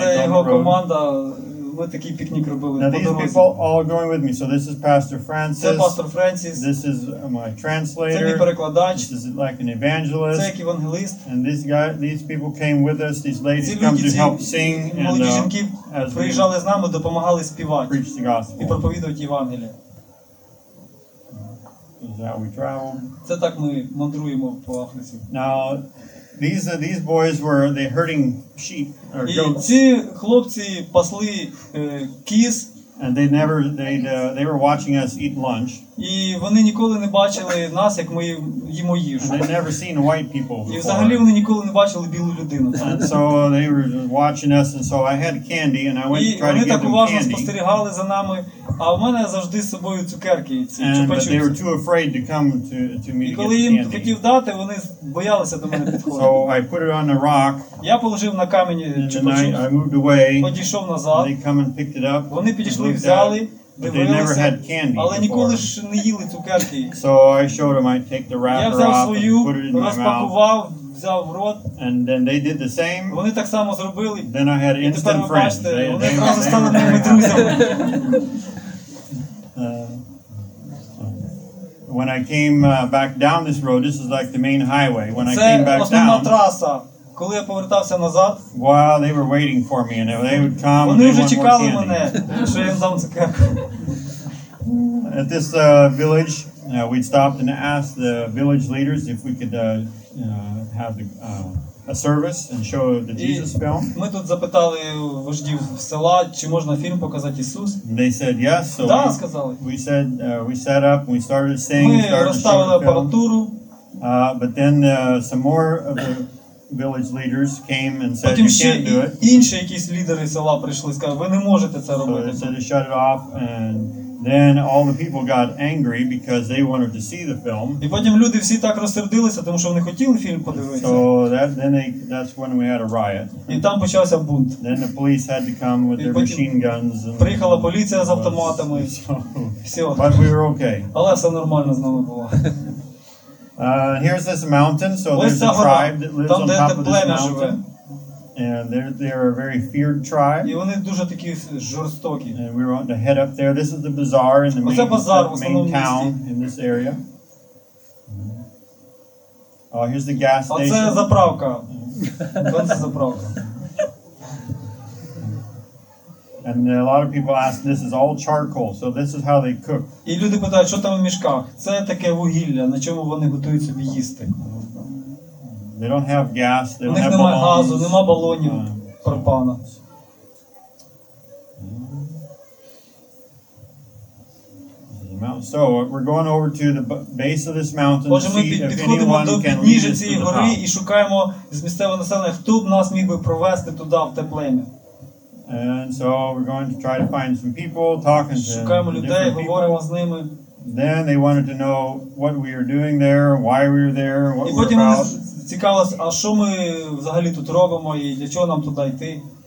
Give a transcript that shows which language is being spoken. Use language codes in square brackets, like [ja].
[uk] Це [en] on [uk] його [en] the road. [uk] Команда. Ми такий пікнік робили. [en] Now these people all going with me. So this is Pastor Francis. [uk] Це Пастор Франсіс. [en] This is my translator. [uk] Це мій перекладач. [en] This is like an evangelist. [uk] Це як евангеліст. [en] And this guy, these people came with us. These ladies come to help sing. [uk] Молоді жінки приїжджали з нами, допомагали співати. [en] Preach the gospel. [uk] І проповідувати Євангеліє. [en] Is that we travel. [uk] Це так ми мандруємо по Африці. [en] Now, these boys were the herding sheep or goats. [uk] І ці хлопці пасли кіз. [en] And they were watching us eat lunch. [uk] І вони ніколи не бачили нас, як ми їмо їжу. [en] They never seen white people before. [uk] І взагалі вони ніколи не бачили білу людину. [en] And so they were watching us, and so I had candy, and I went to try to get them candy. [uk] І вони так уважно спостерігали за нами. А в мене завжди з собою цукерки, чупа-чупси. [en] They were too afraid to come to me. [uk] І коли їм хотів дати, вони боялися до мене підходити. [en] So I put it on a rock. [uk] Я положив на камені чупа-чупси. [en] I moved away. [uk] Подійшов назад. [en] They come and picked it up. [uk] Вони підійшли, взяли. [en] But they never had candy [uk] Але ніколи ж не їли цукерки. [en] So I showed them, I'd take the wrapper off and put it in my mouth. [uk] Я розпакував, взяв в рот. [en] And then they did the same. [uk] Вони так само зробили. [en] Then I had instant friends. [uk] Вони одразу стали моїми друзями. [en] When I came back down this road, this is like the main highway. When [uk] Це [en] I came back down. [uk] Це основна траса. Коли я повертався назад, [en] wow, they were waiting for me and they would come. [uk] Вони вже чекали [en] candy. [uk] Мене, що я їм дам цукерку. [en] At this village, we'd stopped and asked the village leaders if we could have a service and show the Jesus film. [uk] Ми тут запитали вождів села, чи можна фільм показати Ісус. [en] They said yes, so [uk] да, сказали. [en] We said we set up, we started singing, [uk] ми [en] started [uk] Ми розставили апаратуру. [en] But then some more of the village leaders came and said, "You can't do it." [uk] Інші якісь лідери села прийшли, сказали, ви не можете це робити. [en] So they said to shut it off, and then all the people got angry because they wanted to see the film. [uk] І потім люди всі так розсердилися, тому що вони хотіли фільм подивитися. [en] So that's when we had a riot. [uk] І там почався бунт. [en] Then the police had to come with their machine guns. [uk] Приїхала поліція з автоматами. [en] But we were okay. [uk] Але все нормально з нами було. [en] Here's this mountain, so there's a tribe that lives on top of this mountain. And they're a very feared tribe. [uk] І вони дуже такі жорстокі. [en] And we want to head up there. This is the bazaar in the main town in this area. Oh, here's the gas station. [uk] Оце заправка. Бензозаправка. [en] And a lot of people ask, this is all charcoal, so this is how they cook. [uk] І люди питають, що там в мішках? Це таке вугілля, на чому вони готують собі їсти. [en] They don't have gas, they don't have balloons. [uk] У них немає газу, нема балонів пропана. [en] So we're going over to the base of this mountain. [uk] Отже, ми підходимо до підніжжя цієї гори і шукаємо з місцевого населення, хто б нас міг би провести туди, в те плем'я. [en] And so we're going to try to find some people, talking to [uk] людей, [en] different people. People. Then they wanted to know what we were doing there, why we were there, what [uk] і І потім вони цікавились, а що ми взагалі тут робимо, і для чого нам туди йти?